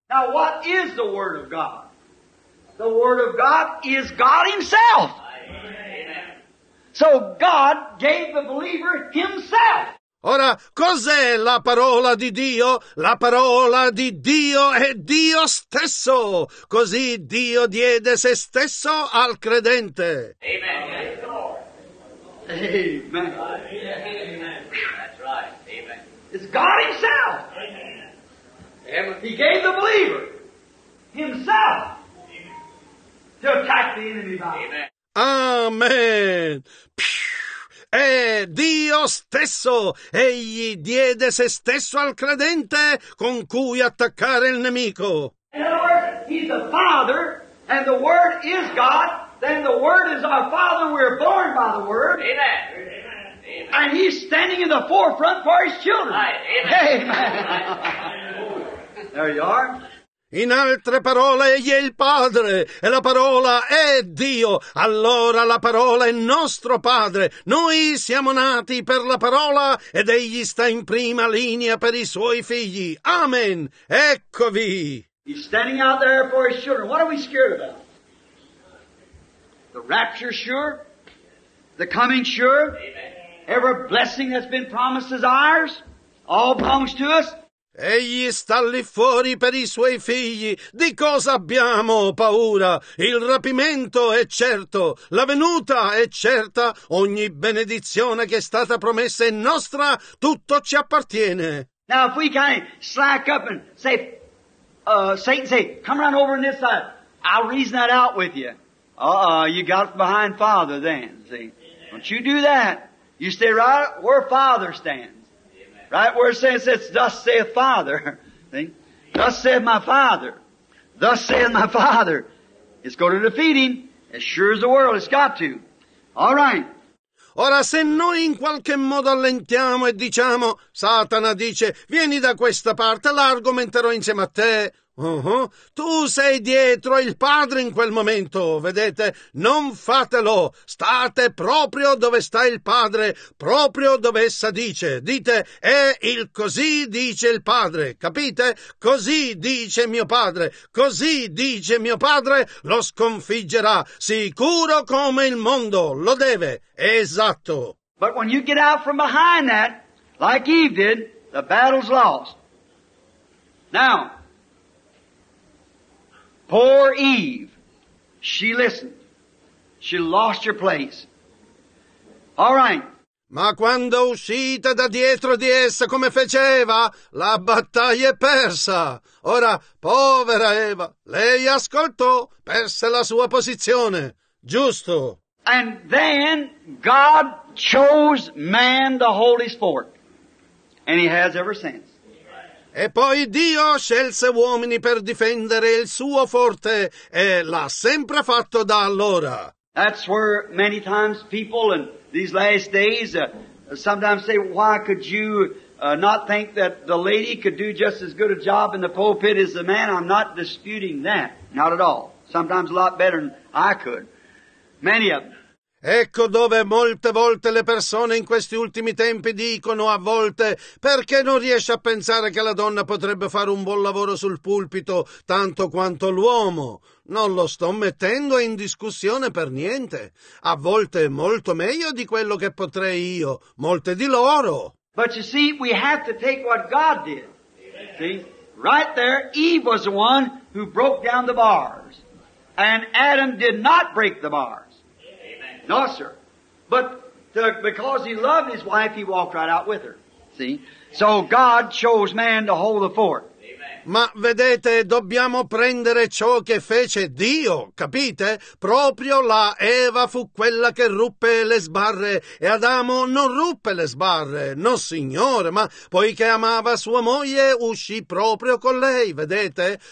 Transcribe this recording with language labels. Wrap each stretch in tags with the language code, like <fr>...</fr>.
<en>Now what is the word of God? The word of God is God himself. Amen. So God gave the believer himself.</en> <it>Ora, cos'è la parola di Dio? La parola di Dio è Dio stesso. Così Dio diede se stesso al credente.</it> <en>Amen. Amen. Amen. Amen. That's right. Amen. It's God himself. Amen. He gave the believer himself. Amen. To attack the enemy. Amen. Amen.</en> <it>E Dio stesso, egli diede se stesso al credente con cui attaccare il nemico.</it> <en>In other words, he's the Father, and the Word is God, then the Word is our Father, we're born by the Word. Amen. Amen. And he's standing in the forefront for his children. Amen. Amen. There you are.</en> <it>In altre parole, egli è il Padre, e la parola è Dio. Allora la parola è nostro Padre. Noi siamo nati per la parola, ed egli sta in prima linea per i suoi figli. Amen. Eccovi.</it> <en>He's standing out there for his children. What are we scared about? The rapture, sure. The coming, sure. Amen. Every blessing that's been promised is ours. All belongs to us.</en> <it>Egli sta lì fuori per i suoi figli. Di cosa abbiamo paura? Il rapimento è certo, la venuta è certa, ogni benedizione che è stata promessa è nostra, tutto ci appartiene.</it> <en>Now if we kind of slack up and say, Satan say, come around over on this side, I'll reason that out with you. You got behind Father then, see. Don't you do that. You stay right where Father stands. Right where it says, it's thus saith Father. See? Thus saith my Father. Thus saith my Father. It's going to defeat him. As sure as the world, it's got to. All right.</en> <it>Ora, se noi in qualche modo allentiamo e diciamo, Satana dice, vieni da questa parte, l'argomenterò insieme a te. Tu sei dietro il Padre in quel momento, vedete? Non fatelo, state proprio dove sta il Padre, proprio dove essa dice. Dite, è il così dice il Padre, capite? Così dice mio Padre, così dice mio Padre, lo sconfiggerà, sicuro come il mondo, lo deve, esatto.</it> <en>But when you get out from behind that, like Eve did, the battle's lost. Now, poor Eve, she listened. She lost her place. All right.</en> <it>Ma quando uscite da dietro di essa, come fece Eva, la battaglia è persa. Ora, povera Eva, lei ascoltò, perse la sua posizione. Giusto.</it> <en>And then God chose man the holy sport. And he has ever since.</en> <it>E poi Dio scelse uomini per difendere il suo forte e l'ha sempre fatto da allora.</it> <en>That's where many times people in these last days sometimes say, why could you not think that the lady could do just as good a job in the pulpit as the man? I'm not disputing that, not at all. Sometimes a lot better than I could. Many of them.</en> <it>Ecco dove molte volte le persone in questi ultimi tempi dicono a volte perché non riesce a pensare che la donna potrebbe fare un buon lavoro sul pulpito tanto quanto l'uomo. Non lo sto mettendo in discussione per niente. A volte è molto meglio di quello che potrei io, molte di loro.</it> <en>But you see, we have to take what God did. See? Right there, Eve was the one who broke down the bars. And Adam did not break the bars. No, sir. But because he loved his wife, he walked right out with her. See? So God chose man to hold the fort.</en> <it>Ma vedete, dobbiamo prendere ciò che fece Dio, capite? Proprio là Eva fu quella che ruppe le sbarre e Adamo non ruppe le sbarre, no signore, ma poiché amava sua moglie uscì proprio con lei, vedete?</it>